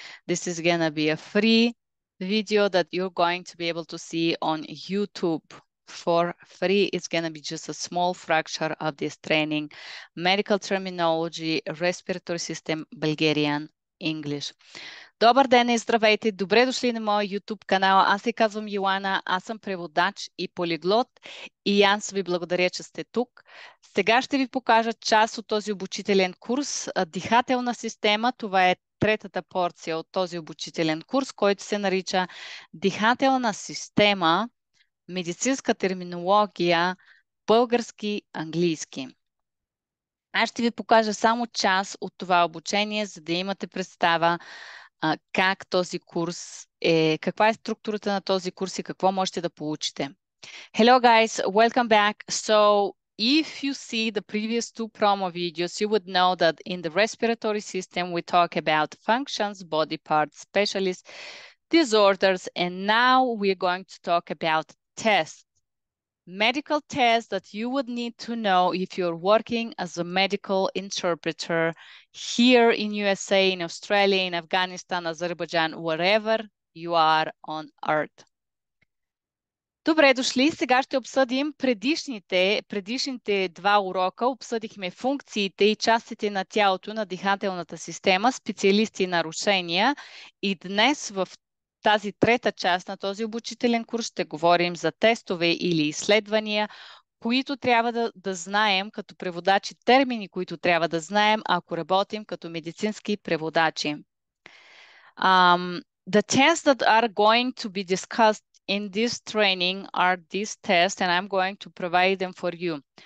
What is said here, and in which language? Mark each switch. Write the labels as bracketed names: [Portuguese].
[English] This is gonna be a free video that you're going to be able to see on YouTube for free. It's gonna be just a small fraction of this training, medical terminology, respiratory system, Bulgarian English. [Bulgarian] Добър ден и здравейте! Добре дошли на моя YouTube канал. Аз се казвам Йоана, аз съм преводач и полиглот и аз ви благодаря, че сте тук. Сега ще ви покажа част от този обучителен курс Дихателна система. Това е третата порция от този обучителен курс, който се нарича Дихателна система, медицинска терминология, български-английски. Аз ще ви покажа само част от това обучение, за да имате представа как този курс е, каква е структурата на този курс и какво можете да получите. [English] Hello guys, welcome back. So if you see the previous two promo videos, you would know that in the respiratory system we talk about functions, body parts, specialists, disorders, and now we're going to talk about tests. Medical tests that you would need to know if you're working as a medical interpreter here in USA, in Australia, in Afghanistan, Azerbaijan, wherever you are on earth. [Bulgarian] Добре дошли! Сега ще обсъдим предишните два урока. Обсъдихме функциите и частите на тялото на дихателната система, специалисти и нарушения. И днес в тази трета част на този обучителен курс ще говорим за тестове или изследвания, които трябва да знаем като преводачи, термини, които трябва да знаем, ако работим като медицински преводачи. [English] The tests that are going to be discussed in this training are these tests, and I'm going to provide them for you.